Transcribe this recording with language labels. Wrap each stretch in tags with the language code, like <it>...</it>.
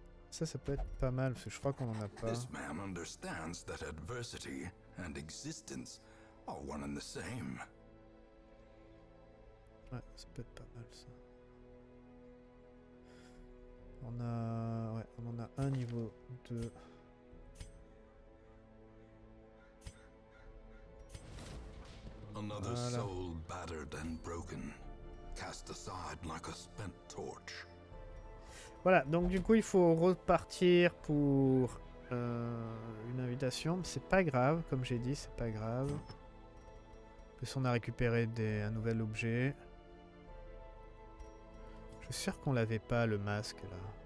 <fr>ça peut être pas mal, parce que je crois qu'on en a pas.</fr> <en>This man understands that adversity and existence are one and the same.</en> <fr>Ouais, ça peut être pas mal ça. On a... ouais, on en a un niveau 2.</fr> <en>Another soul battered and broken, cast aside like a spent torch.</en> <fr>Voilà, donc du coup il faut repartir pour une invitation, mais c'est pas grave, comme j'ai dit, c'est pas grave. En plus on a récupéré un nouvel objet. Je suis sûr qu'on l'avait pas le masque là.</fr>